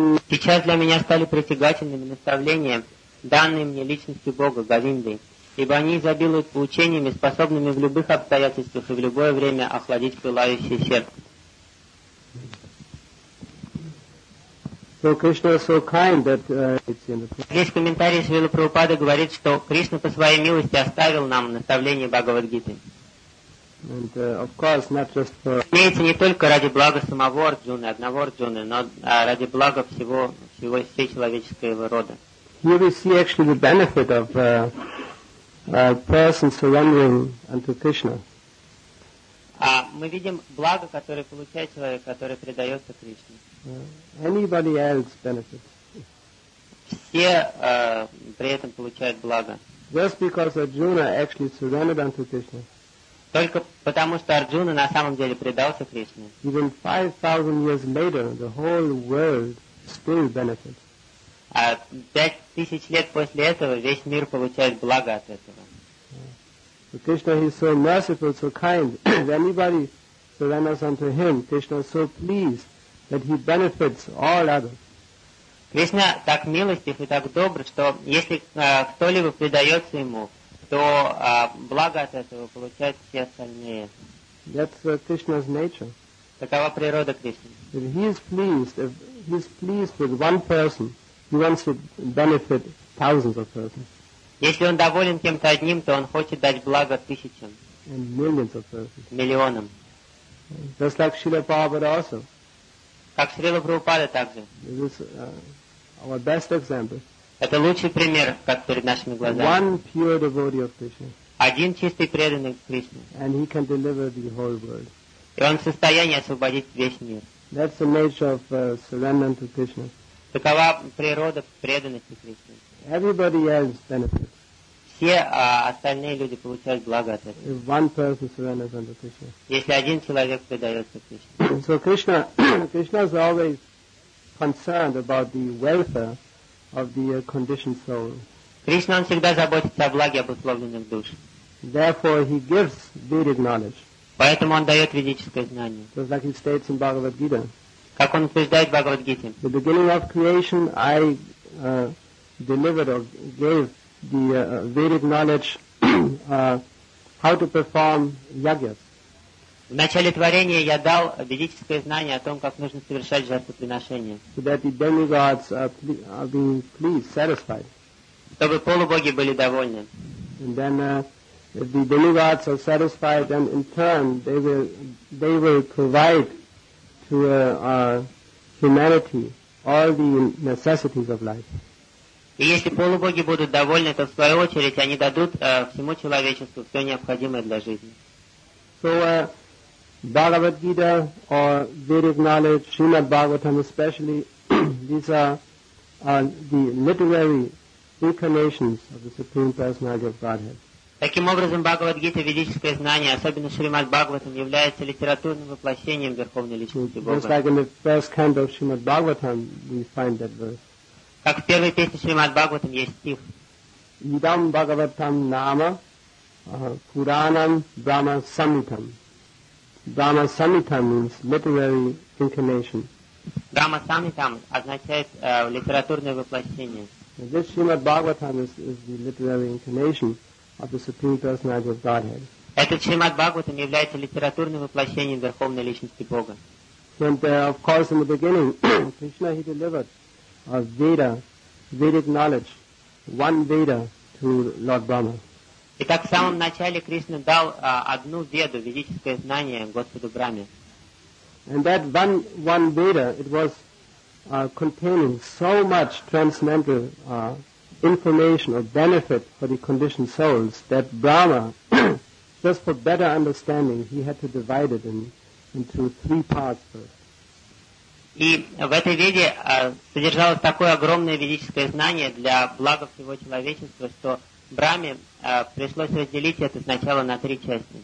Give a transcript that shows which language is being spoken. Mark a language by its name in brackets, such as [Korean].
[Russian] Сейчас для меня стали притягательными наставления, данные мне личностью Бога, Говиндой, ибо они изобилуют поучениями, способными в любых обстоятельствах и в любое время охладить пылающее сердце. Здесь комментарий Шрилы Прабхупады говорит, что Кришна по своей милости оставил нам наставление Бхагавадгиты. [English] And of course, not just for. [Russian] Имеется не только ради блага самого Арджуны, одного Арджуны, но ради блага всего всей человеческого рода. [English] Here we see actually the benefit of person surrendering unto Krishna. [Russian] Мы видим благо, которое получает человек, которое предается Кришне. [English] Anybody else benefits? [Russian] Все при этом получают благо. [English] Just because Arjuna actually surrendered unto Krishna. [Russian] Только потому, что Арджуна на самом деле предался Кришне. [English] Even 5,000 years later, the whole world still benefits. [Russian] 5,000 лет после этого весь мир получает благо от этого. [English] So Krishna is so merciful, so kind. If anybody surrenders unto him, Krishna is so pleased that he benefits all others. [Russian] Кришна так милостив и так добр, что если кто-либо предается ему, то благо от этого получают все остальные. [English] That's Krishna's nature. [Russian] Такова природа Кришны. [English] If he is pleased, if he is pleased with one person, he wants to benefit thousands of persons. [Russian] Если он доволен кем-то одним, то он хочет дать благо тысячам. [English] And millions of persons. [Russian] Миллионам. [English] Just like Srila Prabhupada also. [Russian] Как Шрила Прабхупада также. [English] This is our best example. [Russian] Это лучший пример, как перед нашими глазами. [English] One pure devotee of Krishna. [Russian] Один чистый преданный Кришне. [English] And he can deliver the whole world. [Russian] И он в состоянии освободить весь мир. [English] That's the nature of surrender unto Krishna. [Russian] Такова природа преданности Кришне. [English] Everybody else benefits. [Russian] Все остальные люди получают благо от этого. [English] If one person surrenders unto Krishna. [Russian] Если один человек предается Кришне. [English] So Krishna, Krishna is always concerned about the welfare of the conditioned soul. [Russian] Кришна всегда заботится о благе обусловленных душ. [English] Therefore, he gives Vedic knowledge. [Russian] Поэтому он дает ведическое знание. [English] Just like he states in Bhagavad Gita. [Russian] Как он утверждает в Бхагавад Гите. [English] The beginning of creation, I delivered or gave the Vedic knowledge how to perform yagyas. [Russian] В начале творения я дал ведическое знание о том, как нужно совершать жертвоприношение. [English] So that the demigods are being pleased, satisfied. [Russian] Чтобы полубоги были довольны. [English] And then if the demigods are satisfied, then in turn they will provide to our humanity all the necessities of life. [Russian] И если полубоги будут довольны, то в свою очередь они дадут всему человечеству все необходимое для жизни. [English] So, Bhagavad Gita or Vedic knowledge, Srimad Bhagavatam especially, these are the literary incarnations of the Supreme Personality of Godhead. [Russian] Таким образом, Бхагавад Гита, ведическое знание, особенно Шримад Бхагаватам, является литературным воплощением Верховной Личности Бога. [English] Just like in the first canto of Srimad Bhagavatam, we find that verse. [Russian] Как в первой песне Шримад Бхагаватам есть стих. [Sanskrit] Идам Бхагаватам нама Пуранам Брахма Самитам. [English] Brahma Samhitam means literary incarnation. [Russian] Brahma Samhitam означает литературное воплощение. [English] And this Srimad Bhagavatam is the literary incarnation of the Supreme Personality of Godhead. [Russian] Этот Srimad Bhagavatam является литературным воплощением Верховной Личности Бога. [English] And of course, in the beginning, Krishna he delivered a Veda, Vedic knowledge, one Veda to Lord Brahma. [Russian] Итак, в самом начале Кришна дал одну веду, ведическое знание Господу Брахме. [English] And that one Veda, it was containing so much transcendental information or benefit for the conditioned souls that Brahma, just for better understanding, he had to divide it into three parts first. [Russian] И в этой веде содержалось такое огромное ведическое знание для блага всего человечества, что Брахме пришлось разделить это сначала на три части.